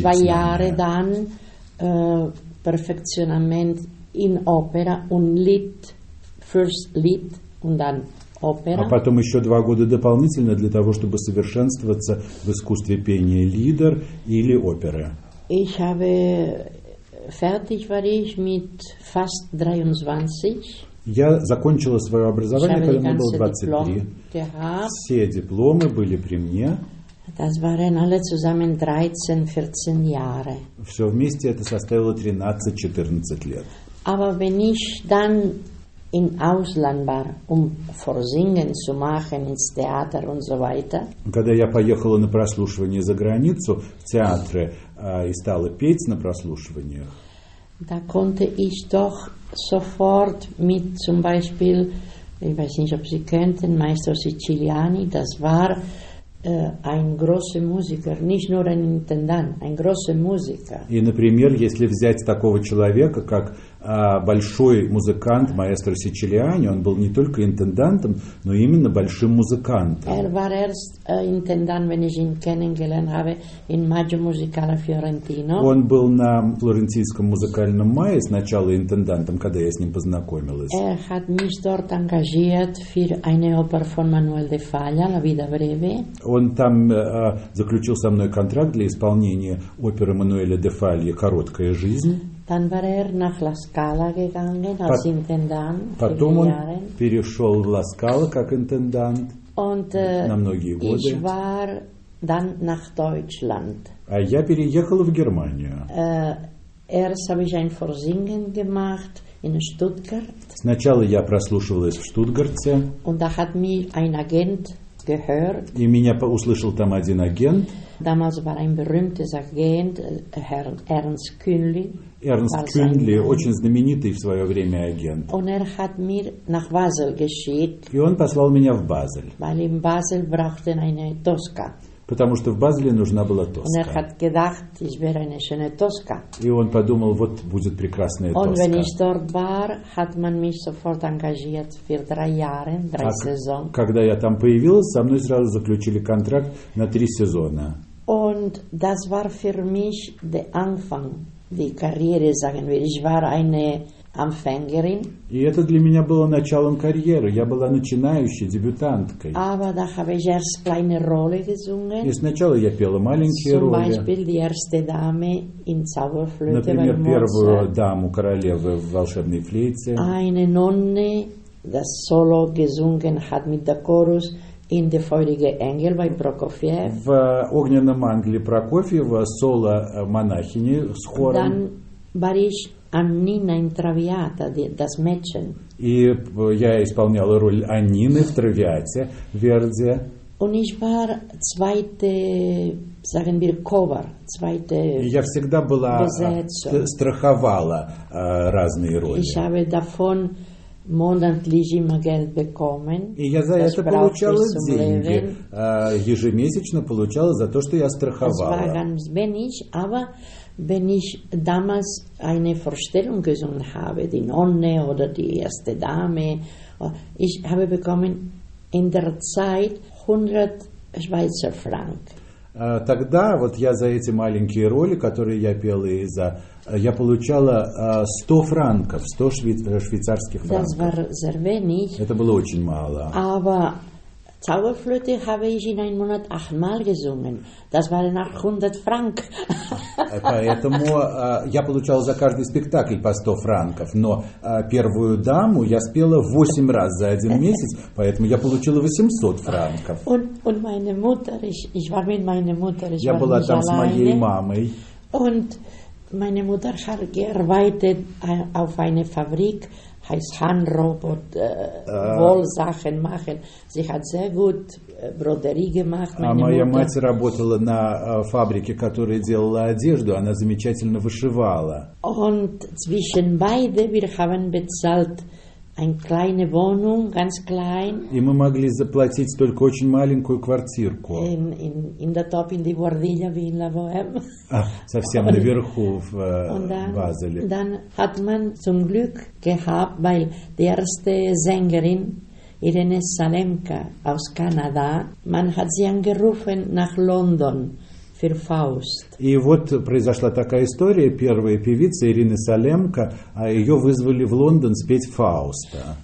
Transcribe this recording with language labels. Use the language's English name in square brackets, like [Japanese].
[German] 2 Jahre dann Perfektionament in Opera und Lied, first Lied und dann Opera. [Russian] А потом еще 2 года дополнительно для того, чтобы совершенствоваться в искусстве пения лидер или оперы. [German] Ich habe fertig war ich mit fast 23. [Russian] Я закончила своё образование, когда мне было 23. Все дипломы были при мне. [German] Das waren alle zusammen 13-14 Jahre. [Russian] Всё вместе это составило 13-14 лет. [German] Aber wenn ich dann im Ausland war, vorsingen zu machen ins Theater und so weiter. [Russian] Когда я поехала на прослушивание за границу в театры и стала петь на прослушиваниях. [German] Da konnte ich doch sofort mit zum Beispiel, ich weiß nicht, ob Sie kennen, Maestro Siciliani, das war ein großer Musiker, nicht nur ein Intendant, ein großer Musiker. [Russian] И, например, если взять такого человека, как большой музыкант, маэстро Сичилиани, он был не только интендантом, но именно большим музыкантом. [German] Er war erst Intendant, wenn ich ihn kennengelernt habe, in Maggio Musicale Fiorentino. [Russian] Он был на флорентийском музыкальном мае сначала интендантом, когда я с ним познакомилась. [German] Er hat mich dort engagiert für eine Oper von Manuel de Falla, La Vida Breve. [Russian] Он там заключил со мной контракт для исполнения оперы Мануэля де Фалья «Короткая жизнь». [German] Dann war nach La Scala gegangen als Intendant. [Russian] Потом он перешел в La Scala как интендант. [German] Und [Russian] на многие годы. [German] Ich war dann nach Deutschland. [Russian] А я переехала в Германию. [German] Erst habe ich ein Vorsingen gemacht in Stuttgart. [Russian] Сначала я прослушивалась в Штутгарте. [German] Und da hat mich ein Agent gehört. [Russian] И меня услышал там один агент. [German] Damals war ein berühmtes Agent, Herr Ernst Künli. [Russian] Эрнст Кюнли, очень знаменитый в свое время агент. [German] Und er hat mir nach Basel geschickt, [Russian] и он послал меня в Базель. [German] Weil in Basel brauchte eine Tosca. [Russian] Потому что в Базеле нужна была Тоска. [German] Und er hat gedacht, ich wäre eine schöne Tosca. [Russian] И он подумал, вот будет прекрасная Тоска. [German] Und wenn ich dort war, hat man mich sofort engagiert für 3 Jahre, 3 Saison. [Russian] Когда я там появилась, со мной сразу заключили контракт на 3 сезона. [German] Und das war für mich der Anfang. Die Karriere, sagen wir, ich war eine Anfängerin. [Russian] И это для меня было началом карьеры. Я была начинающей, дебютанткой. [German] Aber da habe ich erst kleine Rolle gesungen. [Russian] И сначала я пела маленькие роли. [German] Zum Beispiel die erste Dame in Zauberflöte. [Russian] Например, первую даму королевы в волшебной флейте. [German] Eine Nonne, das solo gesungen hat mit der Chorus. In der feurige Engel bei Prokofiev. [Russian] В огненном ангеле Прокофьева соло монахини с хором. [German] Dann war ich Annina in Traviata, das Mädchen. [Russian] И я исполняла роль Аннины в Травиате, Верди. [German] Und ich war zweite, sagen wir, cover, zweite [Russian] я всегда была страховала разные роли. [German] Ich habe davon monatlich immer Geld bekommen. [Russian] И я за это получала деньги. Ежемесячно получала за то, что я страховала. [German] Es war ganz wenig, aber wenn ich damals eine Vorstellung gesungen habe, die Nonne oder die erste Dame, ich habe bekommen in der Zeit 100 [Russian] Швейцар франк. Тогда вот я за эти маленькие роли, которые я пел, и за, я получала 100 франков, 100 швейцарских франков. [German] Das war sehr wenig. [Russian] Это было очень мало. [German] Aber Zauberflöte habe ich in einem Monat 8-mal gesungen. Das waren 800 франк. [Russian] Поэтому я получала за каждый спектакль по 100 франков, но первую даму я спела 8 раз за один месяц, поэтому я получила 800 франков. [German] Und meine Mutter, ich war mit meiner Mutter, [Russian] я была там с моей мамой. [German] Und meine Mutter hat gearbeitet auf einer Fabrik, heißt Handrobot, Wollsachen machen. Sie hat sehr gut Broderie gemacht, meine [Russian] моя [German] Mutter. [Russian] Мать работала на фабрике, которая делала одежду, она замечательно вышивала. [German] Und zwischen beide, wir haben bezahlt eine kleine Wohnung, ganz klein. [Russian] И мы могли заплатить только очень маленькую квартирку. [English] In the top, in the Guardilla, [German] wie in [English] La Bohème. [Russian] Совсем наверху в Базеле. [German] Und dann hat man zum Glück gehabt, weil die erste Sängerin, Irene Salemka aus Kanada, man hat sie angerufen nach London. [Russian] И вот произошла такая история. Первая певица Ирина Салемка, а ее вызвали в Лондон спеть Фауста.